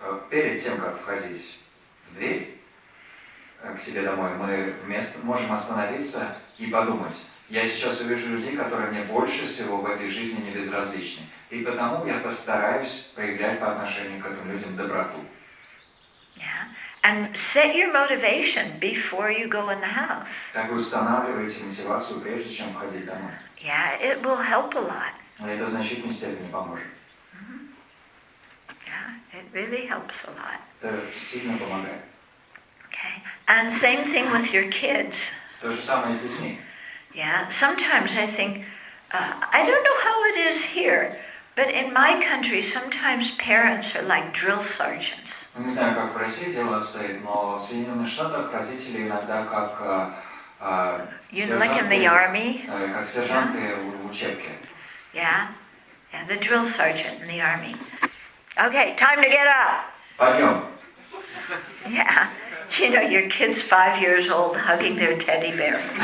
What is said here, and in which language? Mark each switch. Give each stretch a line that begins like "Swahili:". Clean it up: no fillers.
Russian: Перед тем, как входить в дверь к себе домой, мы можем остановиться и подумать. Я сейчас увижу людей, которые мне больше всего в этой жизни не безразличны. И потому я постараюсь проявлять по отношению к этим людям доброту.
English: Yeah. And set your motivation before you go in the house.
Russian: Так вы устанавливаете мотивацию, прежде чем входить домой.
English: Yeah, it will help a lot.
Russian: Это в значительной степени поможет.
English: It really helps a lot.
Russian: Это сильно помогает.
English: Okay. And same thing with your kids.
Russian: То же самое с детьми.
English: Yeah. Sometimes I think, I don't know how it is here, but in my country, sometimes parents are like drill sergeants.
Russian: Не знаю, как в России дело обстоит, но в Соединенных Штатах родители иногда как
English: like in the army.
Russian: Как сержанты в учебке.
English: Yeah, the drill sergeant in the army. Okay, time to get up.
Russian: Пойдем.
English: Yeah, you know, your kid's 5 years old hugging their teddy bear.